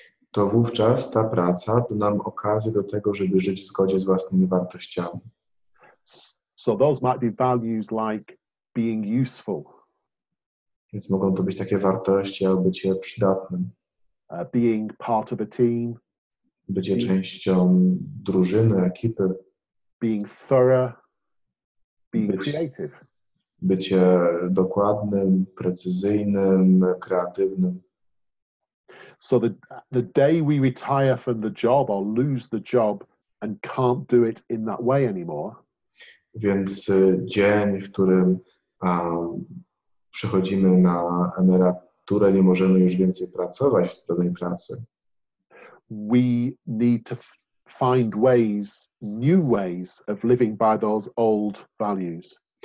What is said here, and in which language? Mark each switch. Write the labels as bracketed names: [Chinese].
[Polish] To wówczas ta praca da nam okazję do tego, żeby żyć w zgodzie z własnymi wartościami. [English] So those might be values like being useful. [Polish] Więc mogą to być takie wartości, jak bycie przydatnym. [English] Being part of a team. [Polish] Bycie częścią drużyny, ekipy. [English] Being thorough. Being creative. [Polish] Bycie dokładnym, precyzyjnym, kreatywnym. [English] So the day we retire from the job or lose the job and can't do it in that way anymore. [Polish] Więc dzień, w którym przechodzimy na emeryturę, nie możemy już więcej pracować w danej pracy. [English] We need to find ways, new ways of living by those old values.